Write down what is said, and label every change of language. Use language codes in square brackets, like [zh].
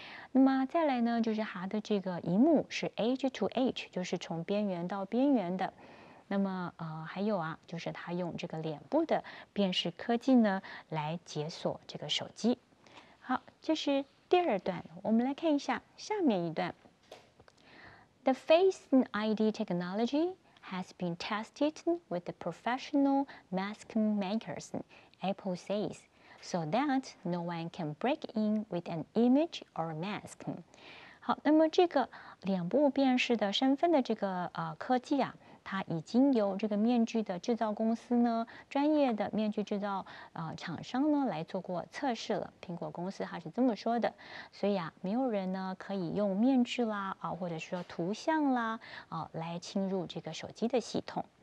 [zh] 那么再来呢，就是它的这个荧幕是 [en] edge to edge， [zh] 就是从边缘到边缘的。那么还有啊，就是它用这个脸部的辨识科技呢来解锁这个手机。好，这是第二段，我们来看一下下面一段。 [en] The face ID technology has been tested with the professional mask makers, Apple says. So that no one can break in with an image or mask. [zh] 好，那么这个脸部辨识的身份的这个科技啊，它已经由这个面具的制造公司呢，专业的面具制造厂商呢来做过测试了。苹果公司它是这么说的，所以啊，没有人呢可以用面具啦或者说图像啦来侵入这个手机的系统。